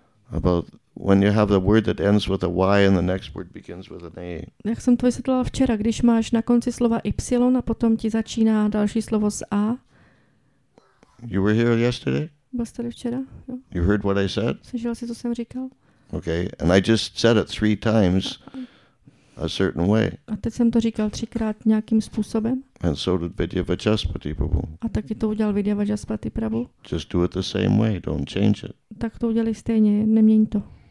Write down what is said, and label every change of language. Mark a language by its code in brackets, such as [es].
[en] About when you have the word that ends with a Y and the next word begins with an A. [cs] Jak jsem to vysvětlila včera, když máš na konci slova Y a potom ti začíná další slovo s A. [en] You were here yesterday? [cs] Byl jste tady včera? Jo. [en] You heard what I said? [cs] Slyšel jsi, co jsem říkal? [en] Okay, and I just said it three times a certain way. [cs] A teď jsem to říkal třikrát nějakým způsobem. [en] And so did Vidya Vajaspati Prabhu. [cs] A taky to udělal Vidya Vajaspati Prabhu. [en] Just do it the same way, don't change it. [cs] Tak to udělej stejně, neměň to.